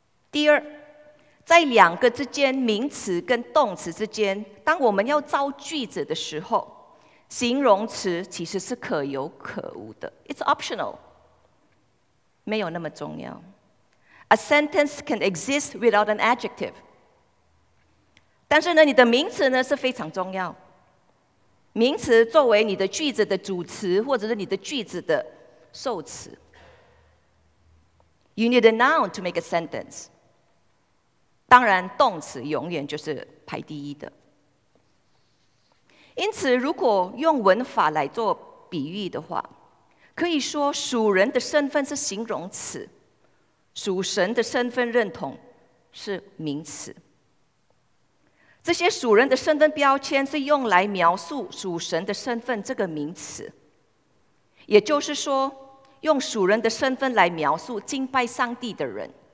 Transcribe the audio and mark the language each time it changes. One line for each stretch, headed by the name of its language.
Chinese: 第二，在两个之间，名词跟动词之间，当我们要造句子的时候，形容词其实是可有可无的，
English: It's optional，
Chinese: 没有那么重要。
English: A sentence can exist without an adjective，
Chinese: 但是呢，你的名词呢是非常重要。名词作为你的句子的主词，或者是你的句子的受词。
English: You need a noun to make a sentence，
Chinese: 当然动词永远就是排第一的。因此如果用文法来做比喻的话，可以说属人的身份是形容词，属神的身份认同是名词。这些属人的身份标签是用来描述属神的身份这个名词，也就是说用属人的身份来描述敬拜上帝的人。